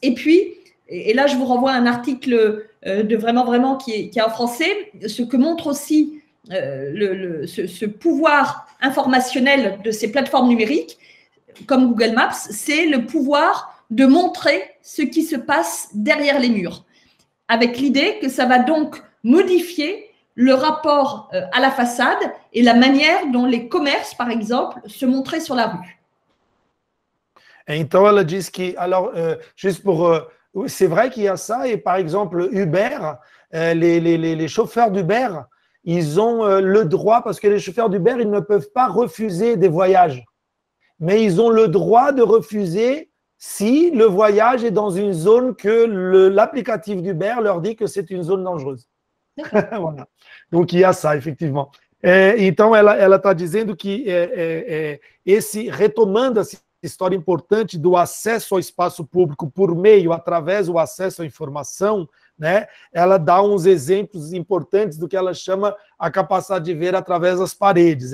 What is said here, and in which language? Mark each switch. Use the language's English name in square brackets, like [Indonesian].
[French] Et puis, et là je vous renvoie à un article de vraiment, vraiment, qui est en français, ce que montre aussi ce pouvoir informationnel de ces plateformes numériques, comme Google Maps, c'est le pouvoir de montrer ce qui se passe derrière les murs, avec l'idée que ça va donc modifier le rapport à la façade et la manière dont les commerces, par exemple, se montraient sur la rue. [Portuguese] Então, ela diz que, [French] alors, juste pour... C'est vrai qu'il y a ça, et par exemple, Uber, les chauffeurs d'Uber, ils ont le droit, parce que les chauffeurs d'Uber, ils ne peuvent pas refuser des voyages, mais ils ont le droit de refuser si le voyage est dans une zone que l'applicatif d'Uber leur dit que c'est une zone dangereuse. Voilà. Donc, il y a ça, effectivement. [Portuguese] Então, ela está dizendo que esse retomando essa história importante do acesso ao espaço público por meio, através do acesso à informação, né, ela dá uns exemplos importantes do que ela chama a capacidade de ver através das paredes.